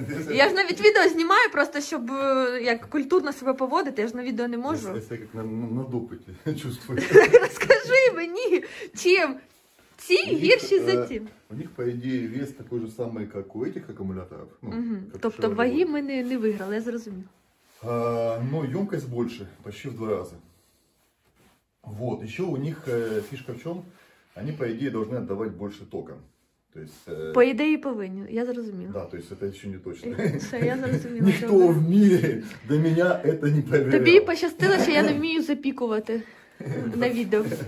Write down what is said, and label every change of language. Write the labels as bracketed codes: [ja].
[uk] Я ж навіть відео знімаю, просто щоб як культурно себе поводити, я ж на відео не можу. Це як на допиті чувствую. Розкажи мені, чим ці гірші за ті. У них, по ідеї, вес такий же самий, як у цих акумуляторів. Тобто ваги ми не виграли, я зрозумів. [ru] Ну, ёмкость больше, почти в 2 раза. Вот, ещё у них фишка в чём? Они, по идее, должны отдавать больше тока. То есть, по идее, [uk] повинні, я зрозумів. [ru] Да, то есть это ещё не точно. [uk] Все, я зрозуміла. [ru] Ніхто в мире до меня это не проверял. [uk] Тобі пощастило, що я не вмію запікувати на відео.